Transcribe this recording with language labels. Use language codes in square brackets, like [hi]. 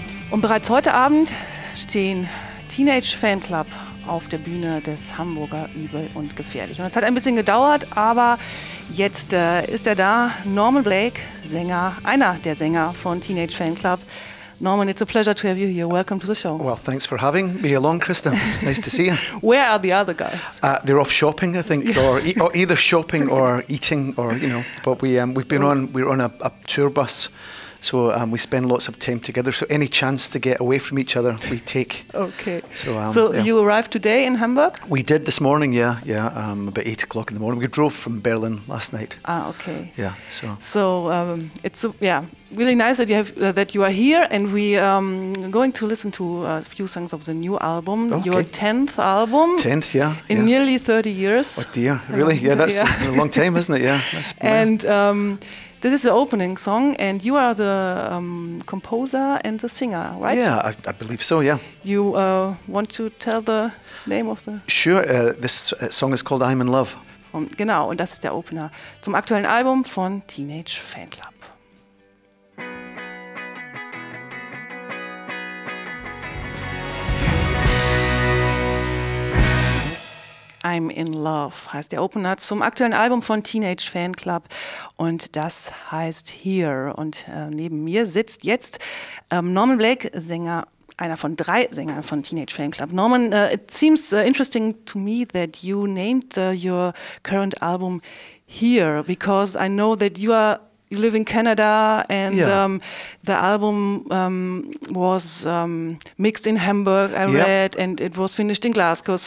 [de] Und bereits heute Abend stehen Teenage Fanclub auf der Bühne des Hamburger Übel und Gefährlich. Und es hat ein bisschen gedauert, aber jetzt ist er da, Norman Blake, Sänger, einer der Sänger von Teenage Fanclub. [en] Norman, it's a pleasure to have you here. Welcome to the show. Well, thanks for having me along, Kristen. Nice to see you. Where are the other guys? They're off shopping, I think, or either shopping or eating, or you know. But we're on a tour bus, so we spend lots of time together. So any chance to get away from each other, we take. Okay. So you arrived today in Hamburg? We did this morning. About 8 o'clock in the morning. We drove from Berlin last night. Ah, okay. Yeah. So it's really nice that you are here, and we are going to listen to a few songs of the new album, your 10th album. 10th, yeah. In nearly 30 years. Oh dear, really? That's a long time, isn't it? Yeah. This is the opening song, and you are the composer and the singer, right? Yeah, I believe so, yeah. You want to tell the name of the... Sure, this song is called I'm in Love. [de] Genau, und das ist der Opener zum aktuellen Album von Teenage Fanclub. I'm in Love heißt der Opener zum aktuellen Album von Teenage Fanclub, und das heißt Here. Und neben mir sitzt jetzt Norman Blake, Sänger, einer von drei Sängern von Teenage Fanclub. [en] Norman, it seems interesting to me that you named your current album Here, because I know that you live in Canada, and the album was mixed in Hamburg, I read, and it was finished in Glasgow.